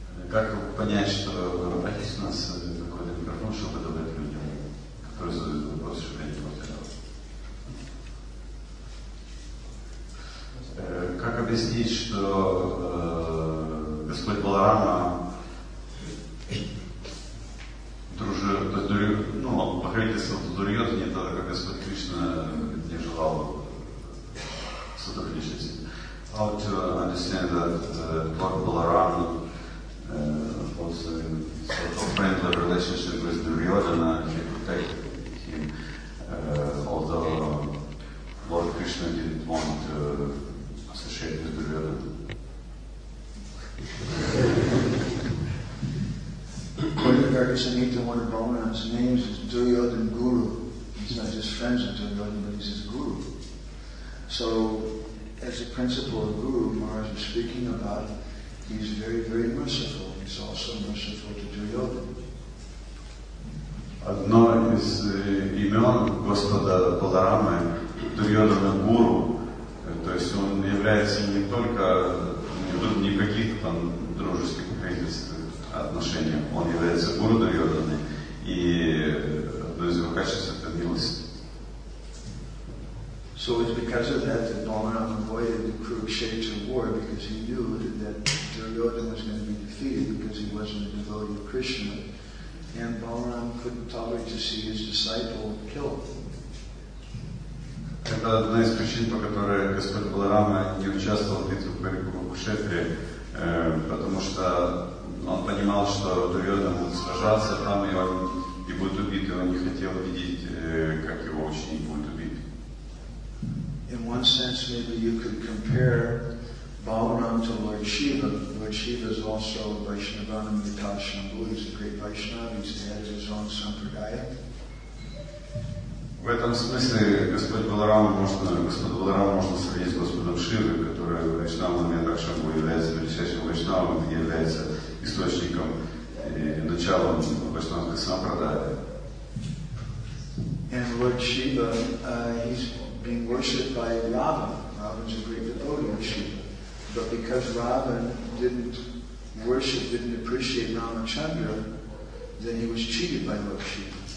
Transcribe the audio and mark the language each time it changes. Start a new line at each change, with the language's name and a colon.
Russian: Как понять, что есть у нас какой-то микрофон, чтобы давать людям, которые задают вопрос, чтобы они повторяли? Как объяснить, что Господь Баларама дружил, ну, покровительствовал Дурьотхане, тогда как Господь Кришна не желал сотрудничать?
English: How to understand that Lord Balaram was a sort of friendly relationship with Duryodhana, and he protected him, although Lord Krishna didn't want to associate with Duryodhana. According to Bhagavad-gita, one of Balaram's names is Duryodhan Guru. He's not just friends with Duryodhana, but he's his guru. So, as a principle of Guru, Maharaj is speaking about, he's very, very merciful. He's also merciful to Duryodhana.
Russian: Одно из имен Господа Баларамы – Дурьодхана Гуру. То есть он является не только, не тут никаких там дружеских отношений, он является Гуру Дурьодханы, и одно из его качеств – это милость.
English: So it's because of that that Balaram avoided the Kurukshetra war because he knew that Duryodhana was going to be defeated because he wasn't a devotee of Krishna. And Balaram couldn't tolerate to see his disciple killed.
Russian: Это одна из причин, по которой Господь Баларама не участвовал в битве при Курукшетре, потому что он понимал, что Дурьодхана будет сражаться там, и он и будет убит, и он не хотел видеть, как его ученик будет убит.
English: In one sense, maybe you could compare Balaram to Lord Shiva. Lord Shiva is also Vaishnavana Mita Shambhu. He's a great Vaishnava. He's had his own sampradaya.
Russian: В этом смысле Господь Баларам можно сравнить с Господом Шивой, который Вайшнава Мита Шамбу является величайшим Вайшнавом и является источником и началом Вайшнавской сампрадаи.
English: And Lord Shiva, he's being worshipped by Ravana. Ravana's a great devotee of Shiva. But because Ravana didn't worship, didn't appreciate Ramachandra, then he was cheated by Lord Shiva.